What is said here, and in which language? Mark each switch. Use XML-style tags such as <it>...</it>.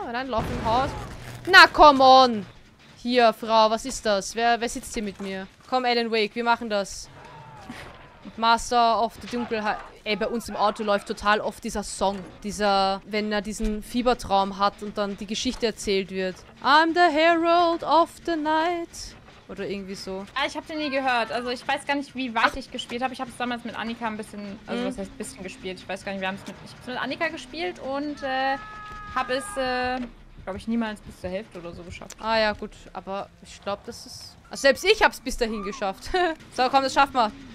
<de>Und dann laufen im Haus. Na,</de> <en>come on!</en> <de>Hier, Frau, was ist das? Wer sitzt hier mit mir? Komm, Alan Wake, wir machen das.</de> <en>Master of the</en> <de>Dunkelheit. Ey, bei uns im Auto läuft total oft dieser Song. Dieser, wenn er diesen Fiebertraum hat und dann die Geschichte erzählt wird.</de> <en>I'm the herald of the night.</en> <de>Oder irgendwie so. Ah, ich hab den nie gehört. Also ich weiß gar nicht, wie weit ich gespielt habe. Ich habe es damals mit Annika ein bisschen, also was heißt ein bisschen gespielt. Ich weiß gar nicht, ich hab's mit Annika gespielt und habe es, glaube ich, niemals bis zur Hälfte oder so geschafft. Ah ja, gut. Aber ich glaube, das ist... Also selbst ich habe es bis dahin geschafft. So, komm, das schaffen wir.</de>